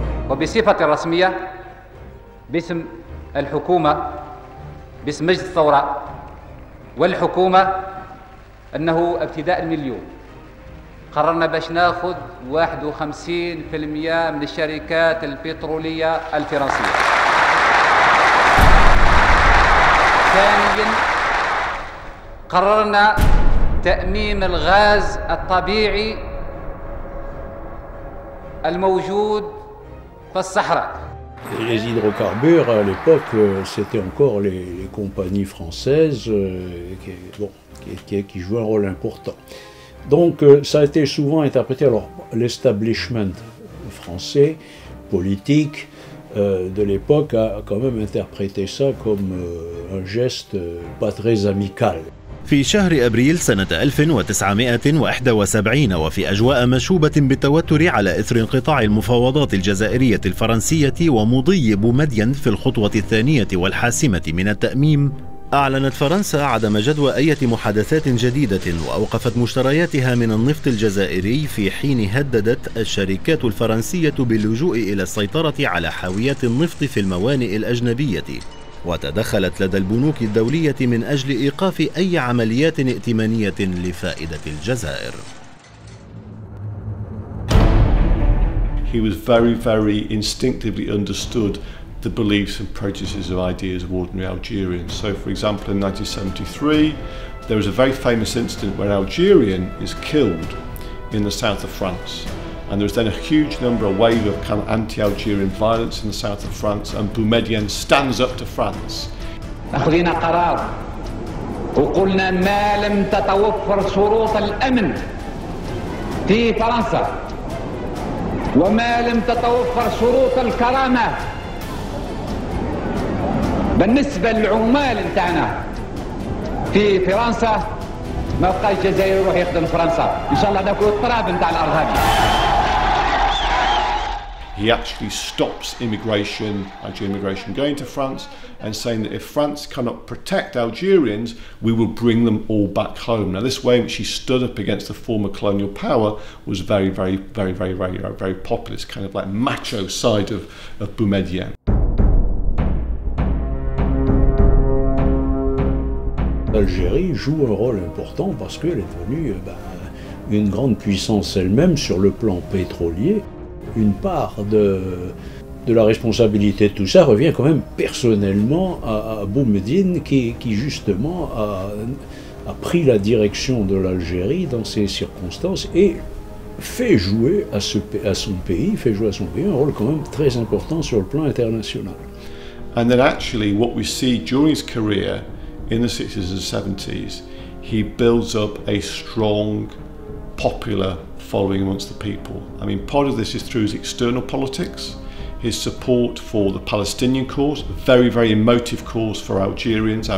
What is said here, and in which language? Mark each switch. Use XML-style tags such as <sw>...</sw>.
<ar>وبصفة رسمية باسم الحكومة، باسم مجلس الثورة والحكومة، أنه ابتداء من اليوم قررنا باش ناخذ 51% من الشركات البترولية الفرنسية. ثانياً قررنا تأميم الغاز الطبيعي الموجود في الصحراء.</ar> <fr>Les hydrocarbures, à l'époque, c'était encore les compagnies françaises qui jouaient un rôle important. Donc ça a été souvent interprété, alors l'establishment français, politique, de l'époque a quand même interprété ça comme un geste pas très amical.</fr> <ar>في شهر أبريل سنة 1971 وفي أجواء مشوبة بالتوتر على إثر انقطاع المفاوضات الجزائرية الفرنسية ومضي بومدين في الخطوة الثانية والحاسمة من التأميم، أعلنت فرنسا عدم جدوى أي محادثات جديدة وأوقفت مشترياتها من النفط الجزائري، في حين هددت الشركات الفرنسية باللجوء إلى السيطرة على حاويات النفط في الموانئ الأجنبية، وتدخلت لدى البنوك الدولية من أجل إيقاف أي عمليات ائتمانية لفائدة الجزائر.</ar> <en>He was very, very instinctively understood the beliefs and prejudices of ideas of ordinary Algerians. So, for example, in 1973, there was a very famous incident where an Algerian is killed in the south of France. And there was then a huge number, a wave of kind of anti-Algerian violence in the south of France, and Boumedien stands up to France.</en> <ar>أخذنا قرار وقلنا ما لم تتوفر شروط الأمن في فرنسا وما لم تتوفر شروط الكرامة بالنسبة للعمال نتاعنا في فرنسا، ما بقاش الجزائر يروح يخدم فرنسا، إن شاء الله داكو التراب نتاع الأرهابي.</ar> <en>He actually stops immigration, Algerian immigration, going to France, and saying that if France cannot protect Algerians, we will bring them all back home. Now, this way in which he stood up against the former colonial power was very, very, very, very, very, very, very populist, kind of like macho side of Boumedien.</en> <fr>L'Algérie joue un rôle important parce qu'elle est devenue une grande puissance elle-même sur le plan pétrolier. Une part de la responsabilité de tout ça revient quand même personnellement à Boumedine qui justement a pris la direction de l'Algérie dans ces circonstances et fait jouer à son pays un rôle quand même très important sur le plan international.</fr> <en>And then actually what we see during his career in the 60s and 70s, he builds up a strong popular following amongst the people. I mean, part of this is through his external politics, his support for the Palestinian cause, a very, very emotive cause for Algerians.</en>